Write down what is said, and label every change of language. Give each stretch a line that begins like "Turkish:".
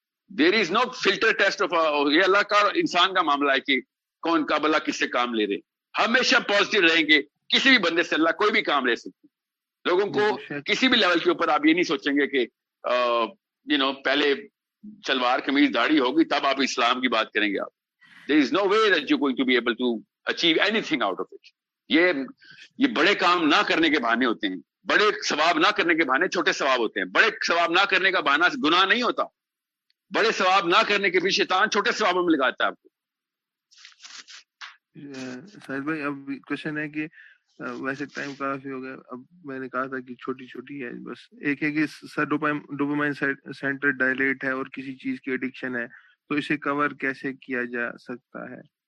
English: there is no filter test of,
Urdu: یہ اللہ کا انسان کا معاملہ ہے کہ کون کا بلا کس سے کام لے رہے. ہمیشہ پازیٹو رہیں گے, کسی بھی بندے سے اللہ کوئی بھی کام لے سکتے. لوگوں کو کسی بھی لیول کے اوپر آپ یہ نہیں سوچیں گے کہ پہلے چلوار قمیض داڑھی ہوگی تب آپ اسلام کی بات کریں گے.
English: آپ there is no way that you're going to be able to achieve anything out of it.
Urdu: یہ بڑے کام نہ کرنے کے بہانے ہوتے ہیں, بڑے ثواب نہ کرنے کے بہانے چھوٹے ثواب ہوتے ہیں, بڑے ثواب نہ کرنے کا بہانہ گناہ نہیں ہوتا, بڑے ثواب نہ کرنے کے بھی شیطان چھوٹے ثوابوں میں لگاتا ہے آپ کو. ساحل بھائی اب کوشچن ہے کہ ویسے ٹائم کافی ہو گیا, اب میں نے کہا تھا کہ چھوٹی چھوٹی ہے, بس ایک ہے کہ سر ڈوپامین سینٹر ڈائلیٹ ہے اور کسی چیز کی ایڈکشن ہے, تو اسے کور کیسے کیا جا سکتا ہے؟